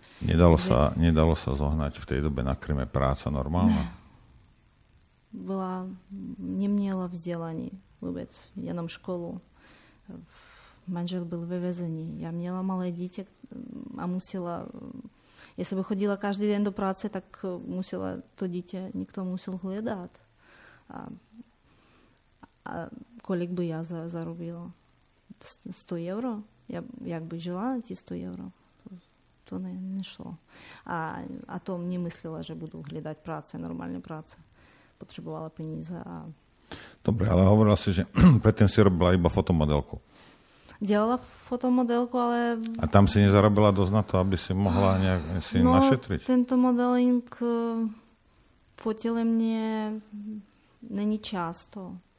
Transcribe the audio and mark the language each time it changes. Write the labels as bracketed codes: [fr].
[sk] Nedalo sa zohnať v tej dobe na Kryme práca normálna? [cs] Byla, neměla vzdělání vůbec, jenom školu. Manžel byl ve vězení. Já měla malé dítě a musela, jestli by chodila každý den do práce, tak musela to dítě, někdo musel hledat. A kolik by já zarobila? 100 euro? Jak by žila na ti 100 euro? To nešlo. A to mě myslela, že budu hledat práce, normální práce. Potřebovala peníze a... [sk] Dobre, ale hovorila si, že predtým si robila iba fotomodelku. [cs] Dělala fotomodelku, ale... [sk] A tam si nezarobila dosť na to, aby si mohla nejak si no, našetriť? [cs] No, tento modeling fotili mne není často.